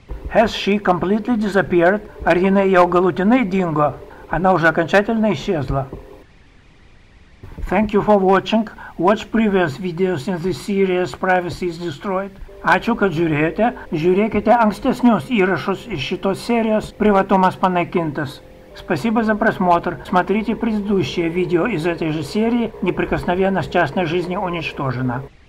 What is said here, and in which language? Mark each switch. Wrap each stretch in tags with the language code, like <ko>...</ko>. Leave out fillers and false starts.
<en>Has she completely disappeared?</en> <lt>Ar jinai jau galutinai dingo?</lt> <ru>Она уже окончательно исчезла.</ru> <en>Thank you for watching. Watch previous videos in this series Privacy is Destroyed.</en> <lt>Ačiū, kad žiūrėjote. Žiūrėkite ankstesnius įrašus iš šitos serijos Privatumas panaikintas.</lt> <ru>Спасибо за просмотр. Смотрите предыдущее видео из этой же серии Неприкосновенность частной жизни уничтожена.</ru>